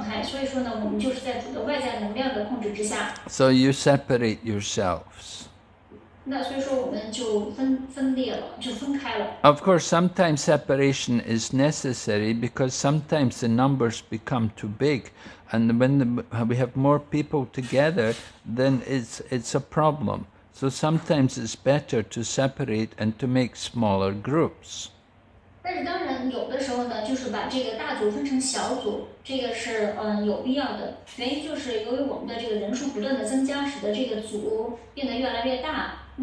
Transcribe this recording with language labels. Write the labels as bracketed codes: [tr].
[zh] 那因为我们没有和主处在一种和平相处的状态，所以说呢，我们就是在主的外在能量的控制之下。 [en] So you separate yourselves. [zh] 那所以说我们就分裂了，就分开了。 [en] Of course, sometimes separation is necessary because sometimes the numbers become too big, and when we have more people together, then it's a problem. So sometimes it's better to separate and to make smaller groups. [zh] 但是当然有的时候呢，就是把这个大组分成小组，这个是有必要的。原因就是由于我们的这个人数不断的增加，使得这个组变得越来越大。